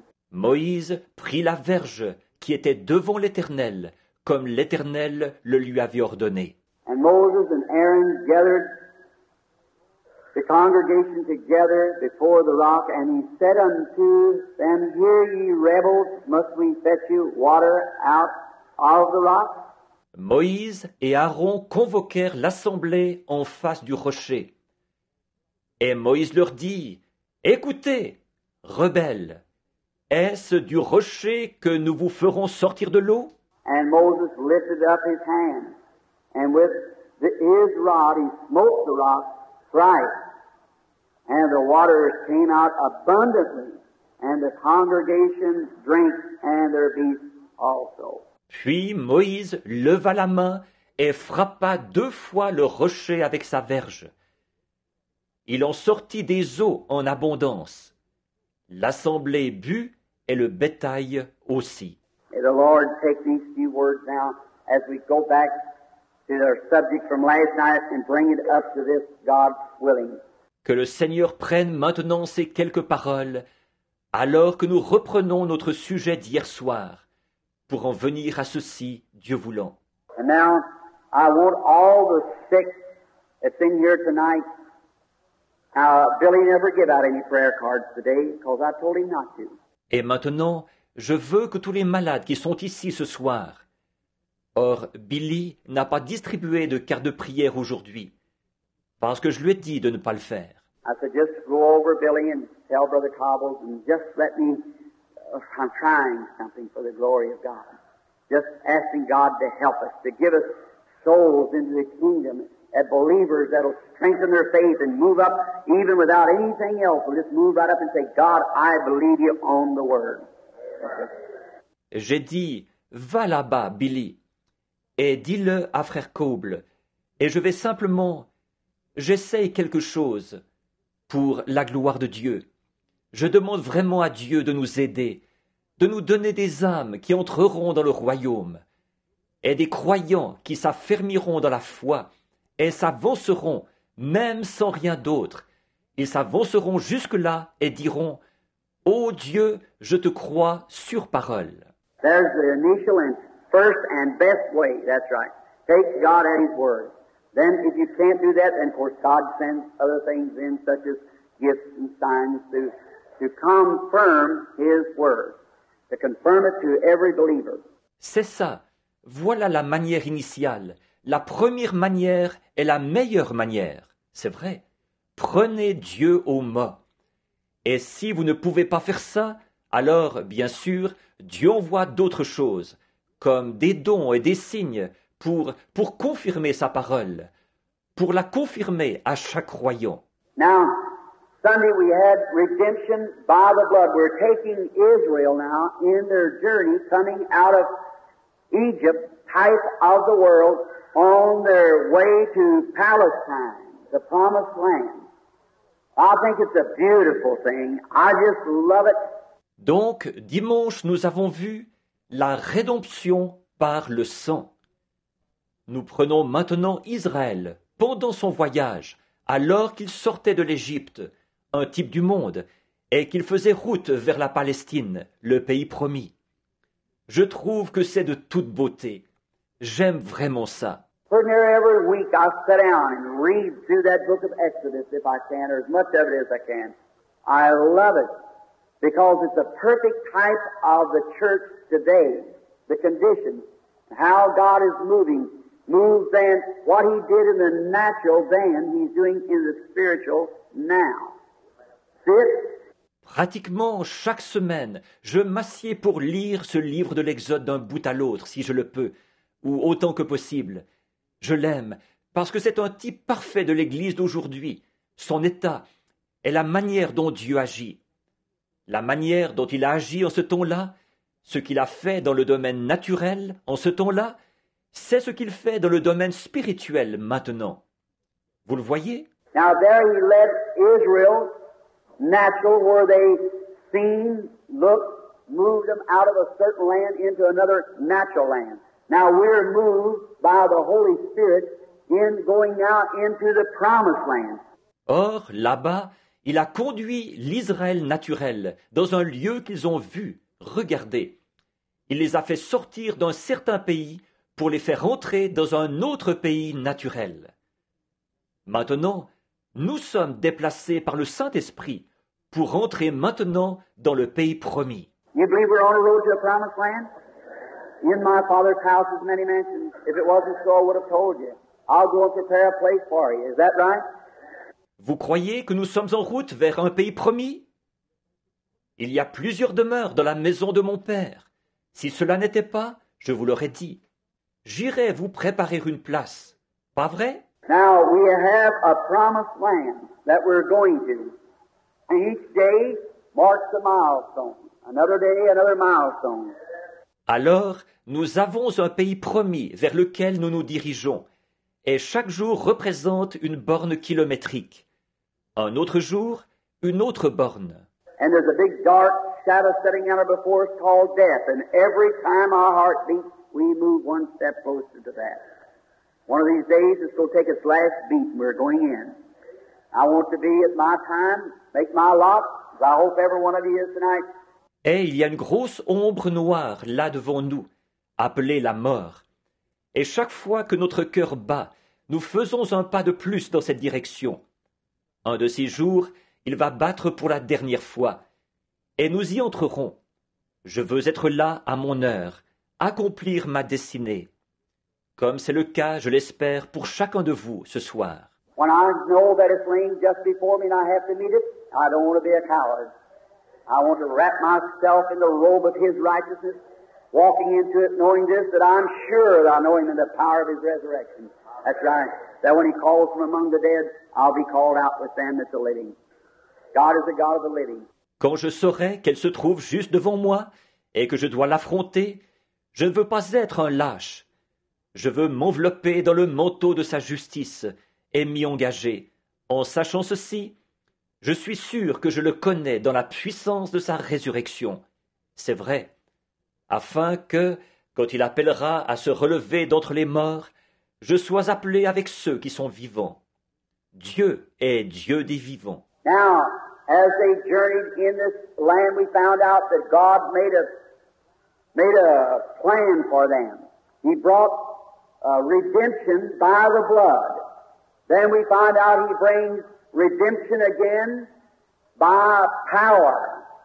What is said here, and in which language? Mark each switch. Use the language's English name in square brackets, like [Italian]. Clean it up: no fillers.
[French] Moïse prit la verge qui était devant l'Éternel, comme l'Éternel le lui avait ordonné. [English] And Moses and Aaron gathered the congregation together before the rock, and he said unto them, Hear ye rebels, must we fetch you water out of the rock? [French] Moïse et Aaron convoquèrent l'assemblée en face du rocher. Et Moïse leur dit, « Écoutez, rebelles, est-ce du rocher que nous vous ferons sortir de l'eau ?» [English] And Moses lifted up his hand, and with his rod he smote the rock thrice, and the water came out abundantly, and the congregation drank, and their beasts also. [French] Puis Moïse leva la main et frappa deux fois le rocher avec sa verge. Il en sortit des eaux en abondance. L'assemblée but et le bétail aussi. [English] May the Lord take these few words now as we go back to our subject from last night and bring it up to this God willing. [French] Que le Seigneur prenne maintenant ces quelques paroles alors que nous reprenons notre sujet d'hier soir. Pour en venir à ceci, Dieu voulant. [English] And now, I want all the sick that's in here tonight. Billy never gave out any prayer cards today, because I told him not to. [French] Et maintenant, je veux que tous les malades qui sont ici ce soir. Or, Billy n'a pas distribué de carte de prière aujourd'hui, parce que je lui ai dit de ne pas le faire. [English] I said, just go over Billy and tell Brother Cobbles and just let me. I'm trying something for the glory of God. Just asking God to help us, to give us souls into the kingdom, and believers that will strengthen their faith and move up even without anything else. We'll just move right up and say, God, I believe you on the word. [French] J'ai dit, va là-bas, Billy, et dis-le à frère Coble, et je vais simplement, j'essaye quelque chose pour la gloire de Dieu. Je demande vraiment à Dieu de nous aider, de nous donner des âmes qui entreront dans le royaume et des croyants qui s'affermiront dans la foi et s'avanceront même sans rien d'autre. Ils s'avanceront jusque-là et diront, « Ô Dieu, je te crois sur parole. » [English] There's the initial and first and best way, that's right. Take God at His word. Then if you can't do that, then of course God sends other things in such as gifts and signs to confirm His word. To confirm it to every believer. [French] C'est ça. Voilà la manière initiale. La première manière est la meilleure manière. C'est vrai. Prenez Dieu au mot. Et si vous ne pouvez pas faire ça, alors, bien sûr, Dieu envoie d'autres choses, comme des dons et des signes, pour confirmer sa parole, pour la confirmer à chaque croyant. [English] Now, Sunday we had redemption by the blood. We're taking Israel now in their journey coming out of Egypt, type of the world, on their way to Palestine, the promised land. I think it's a beautiful thing. I just love it. [French] Donc, dimanche, nous avons vu la rédemption par le sang. Nous prenons maintenant Israël pendant son voyage, alors qu'il sortait de l'Égypte. Un type du monde, et qu'il faisait route vers la Palestine, le pays promis. Je trouve que c'est de toute beauté. J'aime vraiment ça. [English] Pretty near every week I sit down and read through that book of Exodus if I can, or as much of it as I can. I love it because it's a perfect type of the church today, the condition, how God is moving, moves then, what He did in the natural then, He's doing in the spiritual now. See it? [French] Pratiquement chaque semaine, je m'assieds pour lire ce livre de l'Exode d'un bout à l'autre, si je le peux, ou autant que possible. Je l'aime, parce que c'est un type parfait de l'Église d'aujourd'hui. Son état est la manière dont Dieu agit. La manière dont il a agi en ce temps-là, ce qu'il a fait dans le domaine naturel en ce temps-là, c'est ce qu'il fait dans le domaine spirituel maintenant. Vous le voyez ? [English] Now there he led Israel. Natural, where they seen, looked, moved them out of a certain land into another natural land. Now we're moved by the Holy Spirit in going now into the promised land. [French] Or, là-bas, il a conduit l'Israël naturel dans un lieu qu'ils ont vu, regardé. Il les a fait sortir d'un certain pays pour les faire entrer dans un autre pays naturel. Maintenant, nous sommes déplacés par le Saint-Esprit pour entrer maintenant dans le pays promis. [English] You believe we're on a road to the promised land? In my Father's house is many mansions. If it wasn't so, I would have told you. I'll go and prepare a place for you. Is that right? [French] Vous croyez que nous sommes en route vers un pays promis? Il y a plusieurs demeures dans la maison de mon Père. Si cela n'était pas, je vous l'aurais dit. J'irai vous préparer une place. Pas vrai? [English] Now we have a promised land that we're going to. Each day marks a milestone. Another day, another milestone. [French] Alors, nous avons un pays promis vers lequel nous nous dirigeons, et chaque jour représente une borne kilométrique. Un autre jour, une autre borne. [English] And there's a big dark shadow setting out before us called death, and every time our heart beats, we move one step closer to that. One of these days, it's going to take its last beat, and we're going in. I want to be at my time, make my lot, as I hope every one of you is tonight. [French] Et il y a une grosse ombre noire là devant nous, appelée la mort. Et chaque fois que notre cœur bat, nous faisons un pas de plus dans cette direction. Un de ces jours, il va battre pour la dernière fois. Et nous y entrerons. Je veux être là à mon heure, accomplir ma destinée. Comme c'est le cas, je l'espère, pour chacun de vous ce soir. [English] When I know that it's laying just before me and I have to meet it, I don't want to be a coward. I want to wrap myself in the robe of His righteousness, walking into it, knowing this, that I'm sure that I know Him in the power of His resurrection. That's right. That when He calls from among the dead, I'll be called out with them that's the living. God is the God of the living. [French] Quand je saurai qu'elle se trouve juste devant moi et que je dois l'affronter, je ne veux pas être un lâche. Je veux m'envelopper dans le manteau de sa justice et m'y engager. En sachant ceci, je suis sûr que je le connais dans la puissance de sa résurrection. C'est vrai. Afin que, quand il appellera à se relever d'entre les morts, je sois appelé avec ceux qui sont vivants. Dieu est Dieu des vivants. [English] Now, as they journeyed in this land, we found out that God made a plan for them. He brought redemption by the blood. Then we find out He brings redemption again by power.